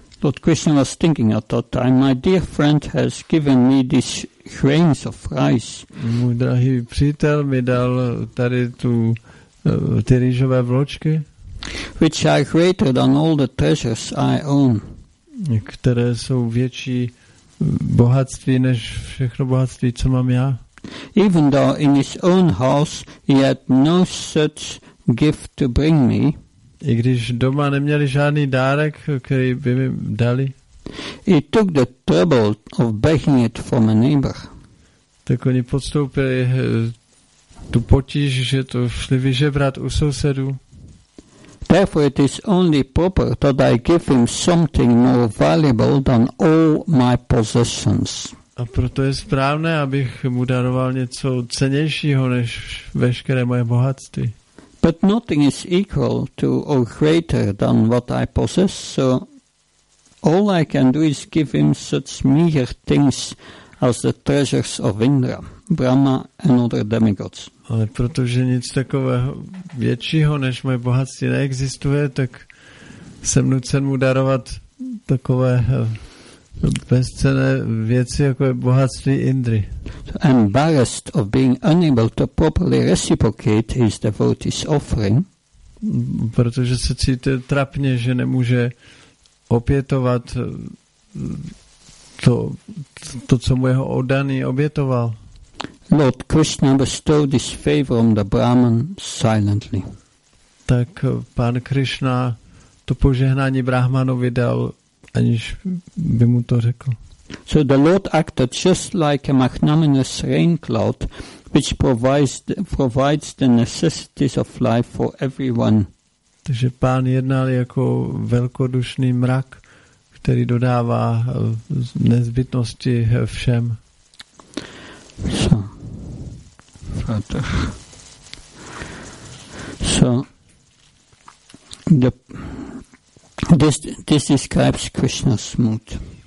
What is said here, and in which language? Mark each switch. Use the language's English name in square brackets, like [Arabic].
[English] Lord Krishna was thinking at that time, my dear friend has given me these grains of rice. [Czech] Můj drahý přítel mi dal tady tu ty rýžové vločky, [English] which are greater than all the treasures I own. [Czech] Které jsou větší bohatství než všechno bohatství, co mám já. [English] Even though in his own house he had no such gift to bring me. [Czech] I když doma neměli žádný dárek, který by mi dali. [English] He took the trouble of begging it from a neighbor. [Czech] Tak oni podstoupili tu potíž, že to šli vyžebrat u sousedů. [English] Therefore it is only proper that I give him something more valuable than all my possessions. [Czech] A proto je správné, abych mu daroval něco cennějšího než veškeré moje bohatství. [English] But nothing is equal to or greater than what I possess, so all I can do is give him such meager things as the treasures of Indra, Brahma and other demigods. [Czech] Ale protože nic takového většího než moje bohatství neexistuje, tak jsem nucen mu darovat takové bezcenné věci, jako je bohatství Indry. [English] So embarrassed of being unable to properly reciprocate his devotee's offering. [Czech] Protože se cítí trapně, že nemůže opětovat to, co mu jeho oddaný obětoval. [English] Lord Krishna bestowed this favor on the Brahman silently. [Czech] Tak pan Krishna to požehnání Brahmanovi dal, aniž by mu to řekl. [English] So the Lord acted just like a magnanimous rain cloud, which provides the necessities of life for everyone. [Czech] Takže pán jednal jako velkodušný mrak, který dodává nezbytnosti všem. [English] So this describes Krishna's mood.